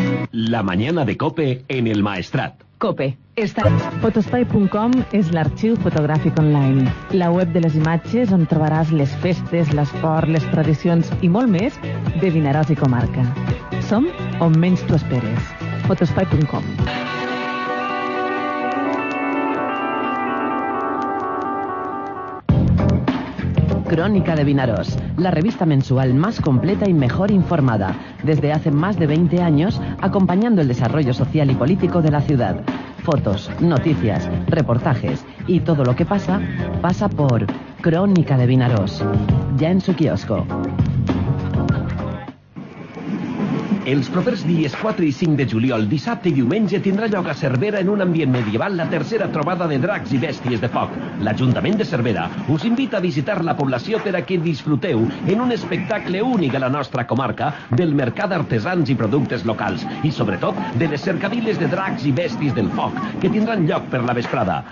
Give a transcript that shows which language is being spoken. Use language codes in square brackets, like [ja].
[es] La mañana de COPE en el Maestrat. COPE. [ca] Fotospai.com és l'arxiu fotogràfic online. La web de les imatges on trobaràs les festes, l'esport, les tradicions i molt més de Vinaròs i comarca. Som on menys tu esperes. Fotospai.com. [es] Crónica de Vinaròs, la revista mensual más completa y mejor informada. Desde hace más de 20 años, acompañando el desarrollo social y político de la ciudad. Fotos, noticias, reportajes y todo lo que pasa, pasa por Crónica de Vinaròs, ya en su kiosco. [ca] Els propers dies 4 i 5 de juliol, dissabte i diumenge, tindrà lloc a Cervera, en un ambient medieval, la tercera trobada de dracs i bèsties de foc. L'Ajuntament de Cervera us invita a visitar la població per a que disfruteu en un espectacle únic a la nostra comarca del mercat d'artesans i productes locals i, sobretot, de les cercaviles de dracs i bèsties del foc que tindran lloc per la vesprada.